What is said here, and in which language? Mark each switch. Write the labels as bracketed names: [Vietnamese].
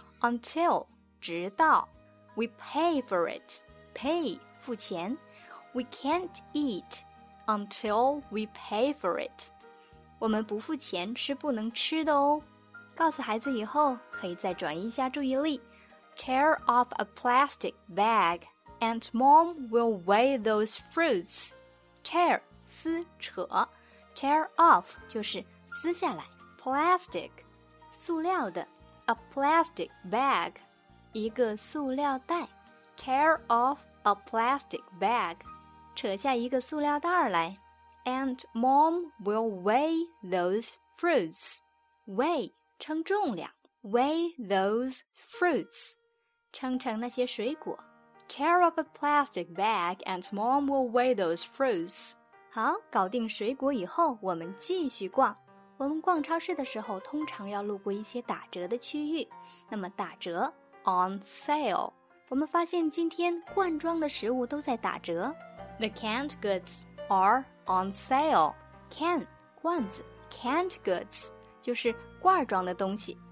[English] Until 直到 we pay for it. Pay 付钱。We can't eat until we pay for it. [Chinese] 我们不付钱是不能吃的哦。告诉孩子以后，可以再转移一下注意力。 [English] Tear off a plastic bag, and mom will weigh those fruits. [Chinese] Tear, 撕扯。 [English] Tear off, [Chinese] 就是撕下来。 [English] Plastic, 塑料的。A plastic bag, [Chinese] 一个塑料袋。 [English] Tear off a plastic bag, [Chinese] 扯下一个塑料袋来。 [English] And mom will weigh those fruits. Weigh, 称重量。Weigh those fruits. [Chinese] 称称那些水果。 [English] Tear up a plastic bag and mom will weigh those fruits. [Chinese] 好，搞定水果以后，我们继续逛。我们逛超市的时候，通常要路过一些打折的区域。那么打折 , [English] on sale. [Chinese] 我们发现今天罐装的食物都在打折。 [English] The canned goods are... On sale, can 罐子 canned goods [Chinese] 就是罐装的东西。